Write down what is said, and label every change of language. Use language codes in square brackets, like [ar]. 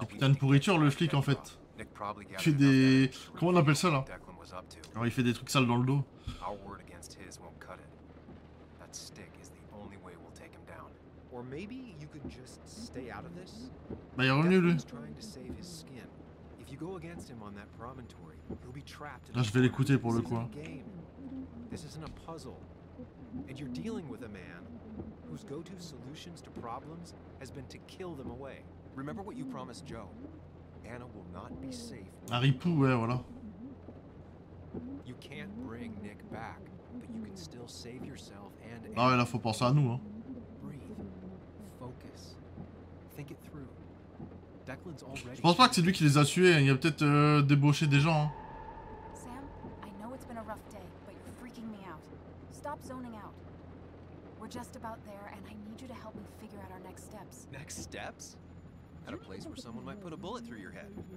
[fr] C'est putain de pourriture le flic en fait. [en] Nick probably got it. [fr] Comment on appelle ça là? [en] Declan was up to. [fr] Alors, il fait des trucs sales dans le dos. [en] Our word against his won't cut it. Stick is the only way we'll take him down. Or maybe you could just stay out of this. [fr] Mais il est revenu, lui. [en] Trying to save his skin. If you go against him on that promontory, he'll be trapped. [fr] Là, je vais l'écouter pour le coup. [en] This isn't a puzzle. And you're dealing with a man whose go-to solutions to problems has been to kill them away. Remember what you promised Joe? Anna will not be safe. [fr] Harry Pou, ouais, voilà. [en] You can't bring Nick back, but you can still save yourself and [fr] Anna. Ah ouais, là, faut penser à nous, hein. [en] Breathe. Focus. Think it through. Declan's already... [fr] Je pense pas que c'est lui qui les a tués, il a peut-être débauché des gens, hein. [en] Sam, I know it's been a rough day, but you're freaking me out. Stop zoning out. We're just about there and I need you to help me figure out our next steps. Next steps? At a place where someone might put a bullet through your head.